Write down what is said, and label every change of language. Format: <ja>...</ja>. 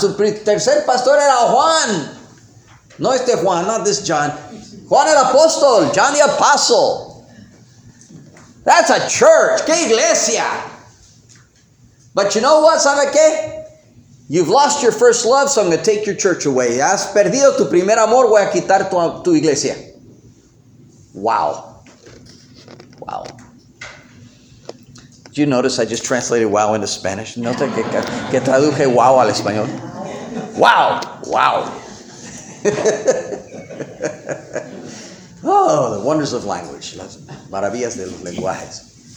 <es>Tu tercer pastor era Juan. No este Juan,</es> <en>not this John.</en> <es>Juan el apóstol,</es> <en>John the apostle. That's a church.</en> <es>¡Qué iglesia!</es> <en>But you know what,</en> <es>¿sabe qué?</es> <en>You've lost your first love, so I'm going to take your church away.</en> <es>Has perdido tu primer amor, voy a quitar tu iglesia.</es> <en>Wow. Wow. Did you notice I just translated wow into Spanish?</en> <es>Nota que traduje wow al español. Wow. Wow.</es> <en>Oh, the wonders of language.</en> <es>Las maravillas de los lenguajes.</es>